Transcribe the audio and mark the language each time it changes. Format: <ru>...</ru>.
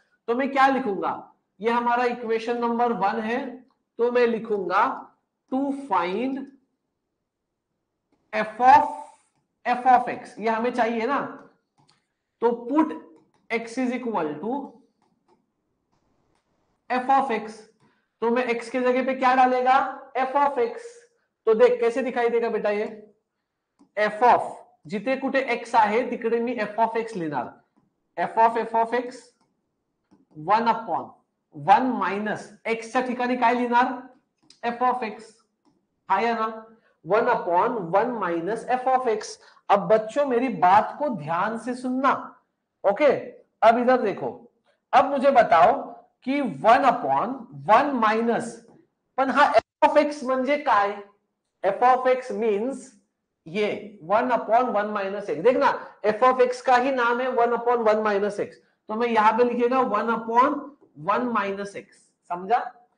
<hi>तो मैं क्या लिखूंगा, ये हमारा इक्वेशन नंबर 1 है, तो मैं लिखूंगा to find F of x, ये हमें चाहिए ना, तो put x is equal to F of x, तो मैं एक्स के जगह पे क्या डालेगा, एफ ऑफ एक्स। तो देख कैसे दिखाई देगा बेटा,</hi> <mr>ये एफ ऑफ जिथे कुठे एक्स आहे तिकडे मी एफ ऑफ एक्स लिहिणार, एफ ऑफ एक्स 1/(1 - x) च्या ठिकाणी काय लिहिणार, एफ ऑफ एक्स, हा या ना, 1/(1 - f(x)।</mr> <hi>अब बच्चों मेरी बात को ध्यान से सुनना, ओके? अब इधर देखो, अब मुझे बताओ कि 1/(1 -),</hi> <mr>पण हा एफ ऑफ एक्स म्हणजे काय,</mr> <hi>एफ ऑफ एक्स मीन्स ये 1/(1 - x), देखना एफ ऑफ एक्स का ही नाम है 1/(1 - x), तो मैं यहां पे लिखेगा 1/(1 - x), समझा?</hi>